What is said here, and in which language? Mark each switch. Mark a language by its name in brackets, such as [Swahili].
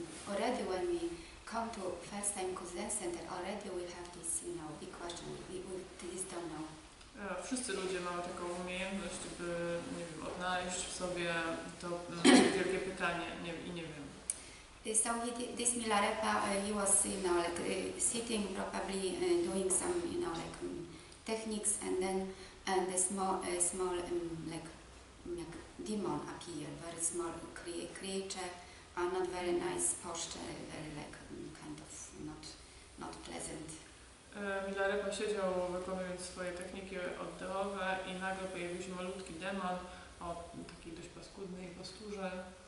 [English] Already when we come to first time to Zen center, already we have this, you know, big question. We just don't know. [Polish] Wszyscy ludzie mają taką umiejętność, by nie wiem, odnaleźć w sobie to wielkie pytanie. Nie wiem. [English] So this Milarepa, he was, you know, like sitting, probably doing some, you know, like techniques, and then the small like demon appeared, very small creature, not very nice posture, very like kind of not pleasant. [Polish] Milarepa siedział wykonując swoje techniki oddechowe i nagle pojawił się malutki demon o takiej dość paskudnej posturze.